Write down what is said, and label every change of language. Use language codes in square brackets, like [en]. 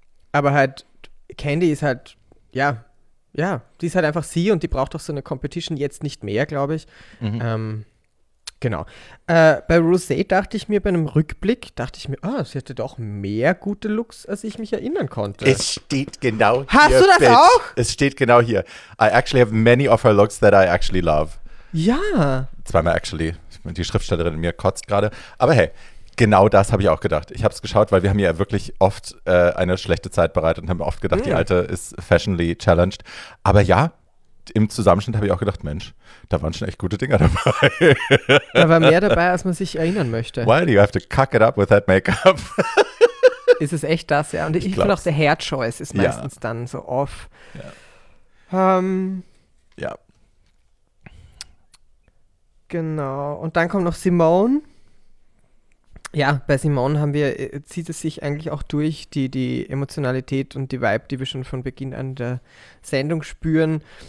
[de] Aber halt, Candy ist halt, ja, die ist halt einfach sie und die braucht auch so eine Competition jetzt nicht mehr, glaube ich. Genau. Bei Rosé dachte ich mir, bei einem Rückblick, sie hatte doch mehr gute Looks, als ich mich erinnern konnte. Es steht genau hier. Hast du das auch? Es steht genau hier. [en] I actually have many of her looks that I actually love. [de] Ja. Zweimal [en] actually. [de] Die Schriftstellerin in mir kotzt gerade. Aber hey, genau das habe ich auch gedacht. Ich habe es geschaut, weil wir haben ja wirklich oft eine schlechte Zeit bereitet und haben oft gedacht, die Alte ist fashionably challenged. Aber ja, im Zusammenschnitt habe ich auch gedacht, Mensch, da waren schon echt gute Dinger dabei. Da war mehr dabei, als man sich erinnern möchte. [en] Why do you have to cuck it up with that makeup? [de] Ist es echt das, ja. Und ich finde auch, der Hair Choice ist meistens dann so off. Ja. Genau. Und dann kommt noch Simone. Ja, bei Simone zieht es sich eigentlich auch durch, die Emotionalität und die Vibe, die wir schon von Beginn an der Sendung spüren.